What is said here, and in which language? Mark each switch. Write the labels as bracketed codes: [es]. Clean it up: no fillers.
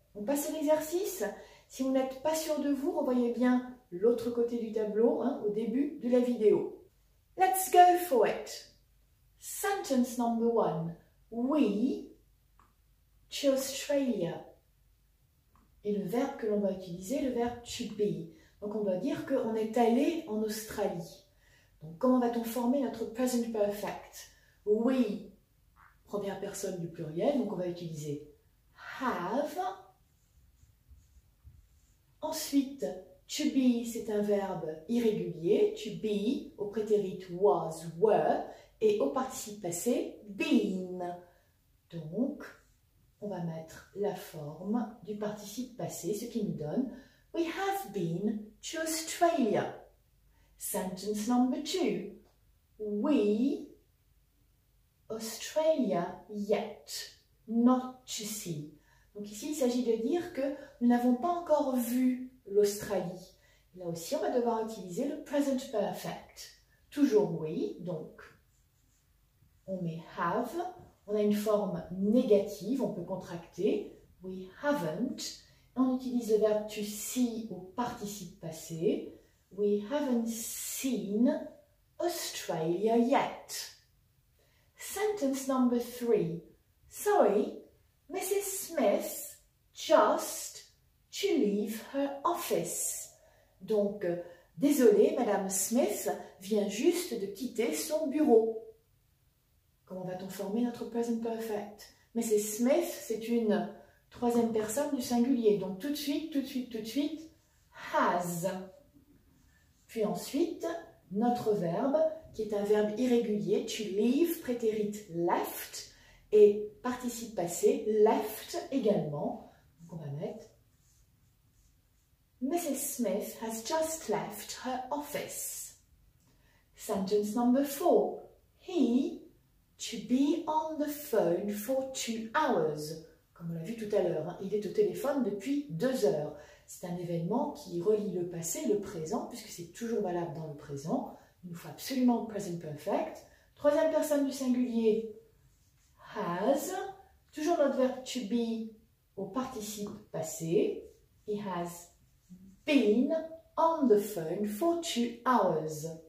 [fr] On passe à l'exercice. Si vous n'êtes pas sûr de vous, revoyez bien l'autre côté du tableau, hein, au début de la vidéo. [en] Let's go for it. Sentence number one. We to Australia. [fr] Et le verbe que l'on va utiliser, le verbe to be. Donc, on doit dire qu'on est allé en Australie. Donc, comment va-t-on former notre present perfect? We, première personne du pluriel, donc on va utiliser have. Ensuite, to be, c'est un verbe irrégulier. To be, au prétérit was, were, et au participe passé, been. Donc, on va mettre la forme du participe passé, ce qui nous donne [en] we have been to Australia. Sentence number two. We Australia yet. Not to see. [fr] Donc ici, il s'agit de dire que nous n'avons pas encore vu l'Australie. Là aussi, on va devoir utiliser le present perfect. Toujours we, donc on met have. On a une forme négative, on peut contracter. [en] We haven't. [fr] On utilise le verbe to see au participe passé. [en] We haven't seen Australia yet. Sentence number three. Sorry, Mrs. Smith just to leave her office. [fr] Donc, désolée, Madame Smith vient juste de quitter son bureau. Comment va-t-on former notre present perfect? Mrs. Smith, c'est une troisième personne du singulier. Donc, tout de suite, has. Puis ensuite, notre verbe, qui est un verbe irrégulier, to leave, prétérit left, et participe passé, left également. Donc, on va mettre Mrs. [en] Smith has just left her office. Sentence number four. He to be on the phone for 2 hours. [fr] Comme on l'a vu tout à l'heure, hein, il est au téléphone depuis 2 heures. C'est un événement qui relie le passé et le présent, puisque c'est toujours valable dans le présent. Il nous faut absolument le present perfect. Troisième personne du singulier, has. Toujours notre verbe to be au participe passé. [en] He has been on the phone for 2 hours.